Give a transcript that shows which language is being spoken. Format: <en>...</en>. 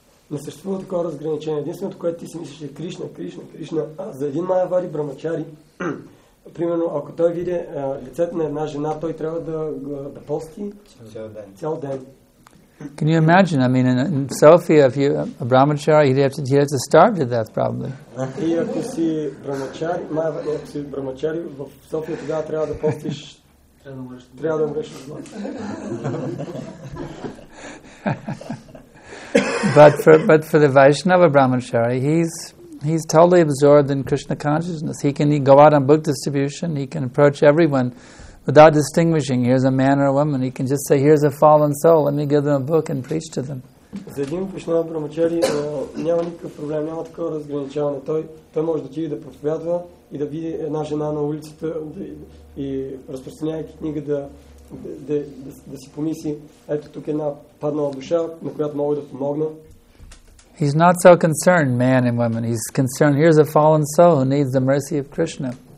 <bg>Не съществува такова разграничение. Единственото, което ти си мислиш, е Кришна, Кришна, Кришна. А за един майявади брамачари, примерно, ако той види лицето на една жена, той трябва да пости цял ден.</bg> <en>Can you imagine? I mean, in Sofia, if you a brahmachari, he'd have to starve to death, probably.</en> <bg>И ако си брамачари, ако си брамачари, в София тогава трябва да постиш, трябва да умреш от глад.</bg> <en>But for the Vaishnava brahmachari, he's totally absorbed in Krishna consciousness. He can go out on book distribution. He can approach everyone without distinguishing. Here's a man or a woman. He can just say, here's a fallen soul. Let me give them a book and preach to them.</en> <bg>За един Vaishnava brahmachari няма никакъв проблем, няма такова разграничаване. Той може да отиде да проповядва и да види една жена на улицата и разпространявайки книга да си помисли, ето тук една паднала душа, на която мога да помогна.</bg> <en>He's not so concerned, man and woman. He's concerned, here's a fallen soul who needs the mercy of Krishna.</en>